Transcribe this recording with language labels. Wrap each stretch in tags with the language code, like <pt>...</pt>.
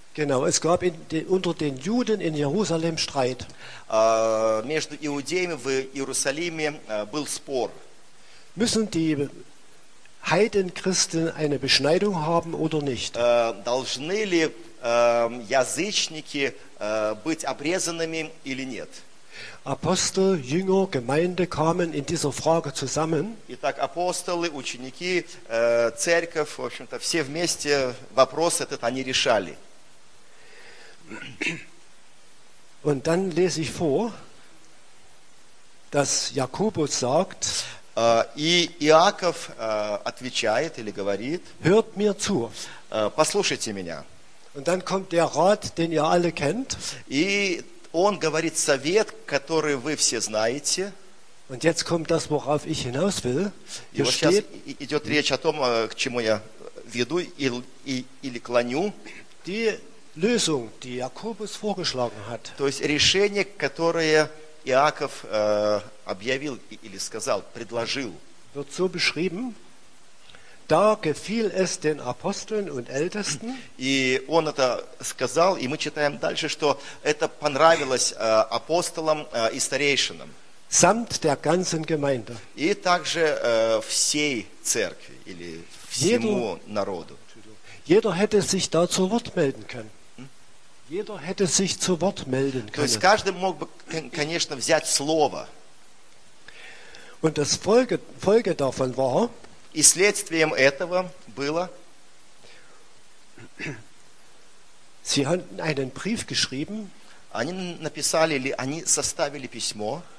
<de>Genau, es gab unter den Juden in Jerusalem Streit.</de> <ru>Между иудеями в Иерусалиме был спор.</ru> <de>Müssen die Heidenchristen eine Beschneidung haben oder nicht?</de> <ru>Должны ли язычники быть обрезанными или нет?</ru> <de>Apostel, Jünger, Gemeinde kamen in dieser Frage zusammen.</de> <ru>Итак, апостолы, ученики, церковь, в общем-то, все вместе вопрос этот они решали.</ru> <de>Und dann lese ich vor, dass Jakobus sagt,</de> <ru>и Иаков отвечает или говорит,</ru> <de>hört mir zu.</de> <ru>Послушайте меня.</ru> <de>Und dann kommt der Rat, den ihr alle kennt.</de> <ru>И он говорит совет, который вы все знаете.</ru> <de>Und jetzt kommt das, worauf ich hinaus will.</de> <ru>И вот сейчас идет речь о том, к чему я веду или клоню.</ru> <de>Die Lösung, die Jakobus vorgeschlagen hat.</de> <ru>То есть решение, которое Иаков объявил или сказал, предложил.</ru> <de>Wird so beschrieben. Da gefiel es den Aposteln und Ältesten.</de> <ru>И он это сказал, и мы читаем дальше, что это понравилось апостолам и старейшинам.</ru> <de>Samt der ganzen Gemeinde.</de> <ru>И также всей церкви или всему народу.</ru> <de>Jeder hätte sich da zu Wort melden können. Jeder hätte sich zu Wort melden können.</de> <ru>То есть каждый мог бы, конечно, взять слово.</ru> <de>Und das Folge davon war,</de> <ru>и следствием этого было,</ru> <de>sie hatten einen Brief geschrieben,</de> <ru>они написали или они составили письмо,</ru>